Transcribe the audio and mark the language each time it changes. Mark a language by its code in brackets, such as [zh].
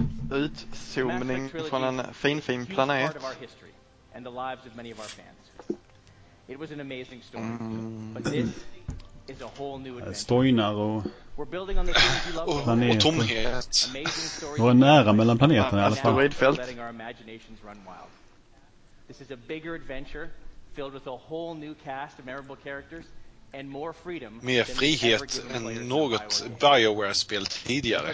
[sv] Utzoomning från en fin fin planet. [en] And the lives of many of our fans. It was an amazing story. But this is a whole new adventure. We're building on the things you love. [sv] Och tomhet. Nära mellan planeterna i alla fall. [en] Letting our imaginations run wild. This is a bigger adventure filled with a whole new cast of memorable characters. And more freedom. [sv] Mer frihet än något BioWare spel tidigare.